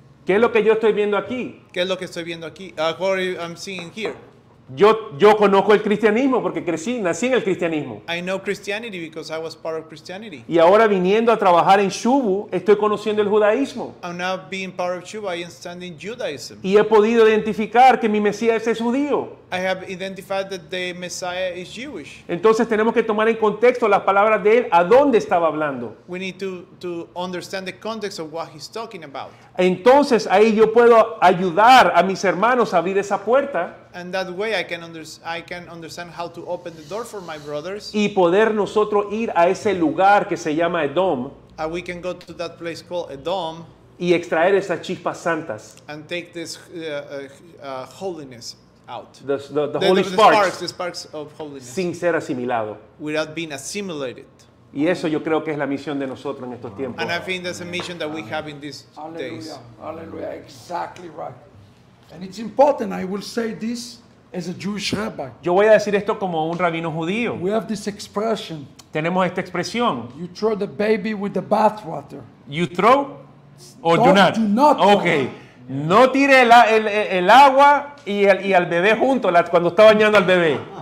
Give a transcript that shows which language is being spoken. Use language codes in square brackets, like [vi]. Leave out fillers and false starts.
[es] ¿Qué es lo que yo estoy viendo aquí? ¿Qué es lo que estoy viendo aquí? [en] What I'm seeing here. [es] Yo conozco el cristianismo porque crecí, nací en el cristianismo. [en] I know Christianity because I was part of Christianity. [es] Y ahora viniendo a trabajar en Shubu, estoy conociendo el judaísmo. [en] I'm now being part of Shubu, I understand Judaism. [es] Y he podido identificar que mi Mesías es judío. [en] I have identified that the Messiah is Jewish. [es] Entonces tenemos que tomar en contexto las palabras de él, a dónde estaba hablando. [en] We need to understand the context of what he's talking about. [es] Entonces ahí yo puedo ayudar a mis hermanos a abrir esa puerta. [en] And that way I can understand how to open the door for my brothers. [es] Y poder nosotros ir a ese lugar que se llama Edom. [en] And we can go to that place called Edom. [es] Y extraer esas chispas santas. [en] And take this holiness out. The Holy sparks. The sparks of holiness. [es] Sin ser asimilado. [en] Without being assimilated. [es] Y eso yo creo que es la misión de nosotros en estos tiempos. [en] And I think that's a mission that we have in these Hallelujah. Days. Hallelujah. Exactly right. And it's important, I will say this as a Jewish rabbi. [es] Yo voy a decir esto como un rabino judío. [en] We have this expression. [es] Tenemos esta expresión. [en] You throw the baby with the bathwater. You throw or don't, do not? Do not. Okay. [es] No tire el agua y al bebé junto, cuando está bañando al bebé.